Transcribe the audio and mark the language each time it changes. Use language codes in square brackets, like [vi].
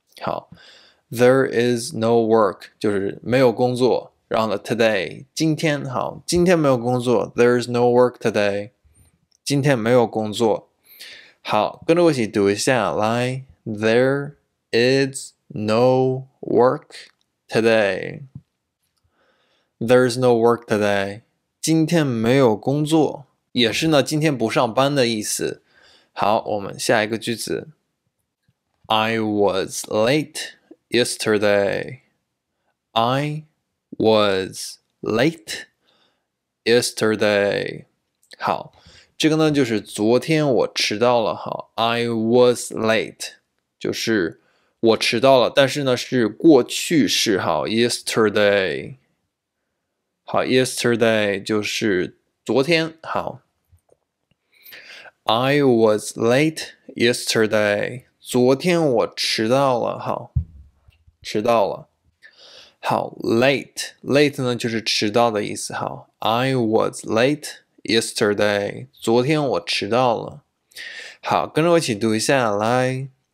[en] 好 ，There is no work [zh] 就是没有工作。然后呢 ，today 今天好，今天没有工作。 [en] There is no work today. [zh] 今天没有工作。好，跟着我一起读一下。来 ， [en] There is No work today. There's no work today. [zh] 今天没有工作，也是呢，今天不上班的意思。好，我们下一个句子。 [en] I was late yesterday. I was late yesterday. [zh] 好，这个呢就是昨天我迟到了。 [en] 好 ，I was late 就是。 [zh] 我迟到了，但是呢是过去式，好 ，yesterday， 好 ，yesterday 就是昨天，好 ， [en] I was late yesterday， [zh] 昨天我迟到了，好，迟到了，好 ，late 呢就是迟到的意思，好 ，I was late yesterday， 昨天我迟到了，好，跟着我一起读一下，来。